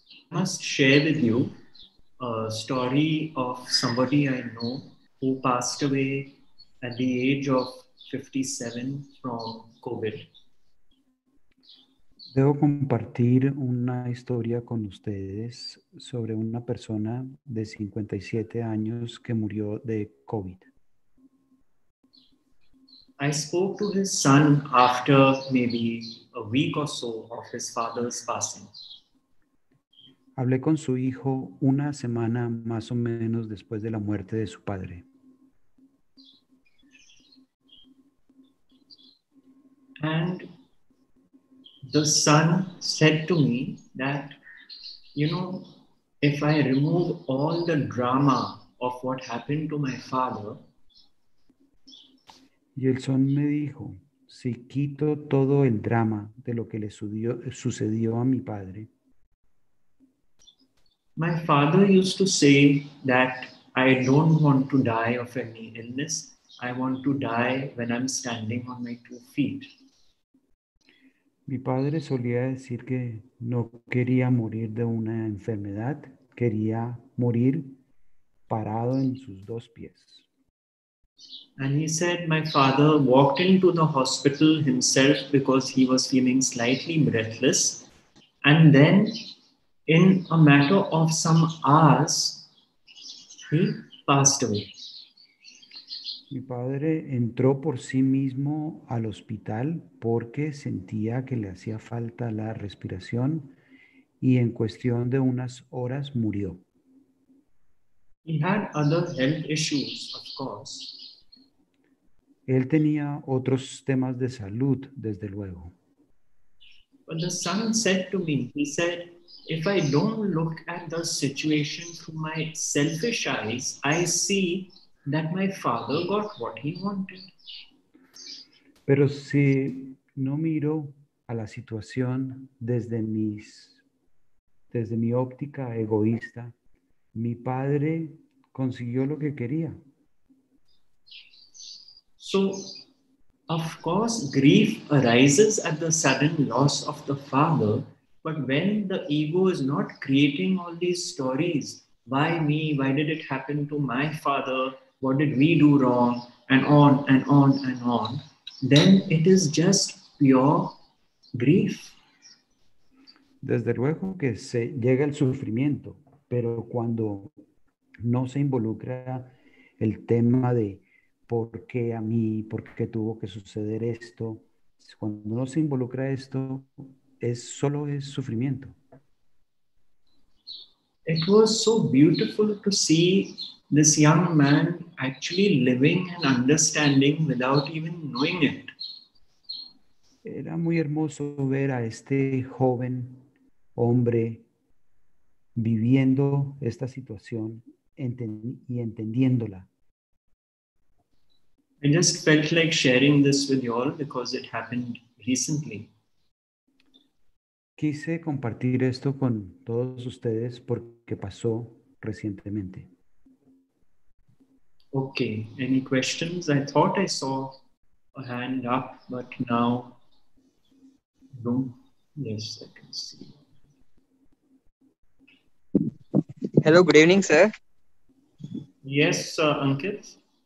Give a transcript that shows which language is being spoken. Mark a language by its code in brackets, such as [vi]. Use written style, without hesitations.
[en] I must share with you a story of somebody I know who passed away at the age of 57 from COVID. [es] Debo compartir una historia con ustedes sobre una persona de 57 años que murió de COVID. [en] I spoke to his son after maybe a week or so of his father's passing. [es] Hablé con su hijo una semana más o menos después de la muerte de su padre. [en] And the son said to me that, you know, if I remove all the drama of what happened to my father. [es] Y el son me dijo, si quito todo el drama de lo que le sucedió a mi padre. [en] My father used to say that I don't want to die of any illness. I want to die when I'm standing on my two feet. [es] Mi padre solía decir que no quería morir de una enfermedad. Quería morir parado en sus dos pies. [en] And he said my father walked into the hospital himself because he was feeling slightly breathless. And then in a matter of some hours, he passed away. [es] Mi padre entró por sí mismo al hospital porque sentía que le hacía falta la respiración y en cuestión de unas horas murió. [en] He had other health issues, of course. [es] Él tenía otros temas de salud, desde luego. [en] But the son said to me, he said, if I don't look at the situation through my selfish eyes, I see that my father got what he wanted. [es] Pero si no miro a la situación desde mi óptica egoísta, mi padre consiguió lo que quería. [en] So, of course, grief arises at the sudden loss of the father, but when the ego is not creating all these stories, why me, why did it happen to my father? What did we do wrong? And on and on and on. Then it is just pure grief. [es] Desde luego que se llega el sufrimiento, pero cuando no se involucra el tema de por qué a mí, por qué tuvo que suceder esto, cuando no se involucra esto, solo es sufrimiento. [en] It was so beautiful to see this young man actually living and understanding without even knowing it. [es] Era muy hermoso ver a este joven hombre viviendo esta situación y entendiéndola. [en] I just felt like sharing this with you all because it happened recently. [es] Quise compartir esto con todos ustedes porque pasó recientemente. [en] Okay, any questions? I thought I saw a hand up, but now, no. Yes, I can see. Hello, good evening, sir. Yes, Ankit.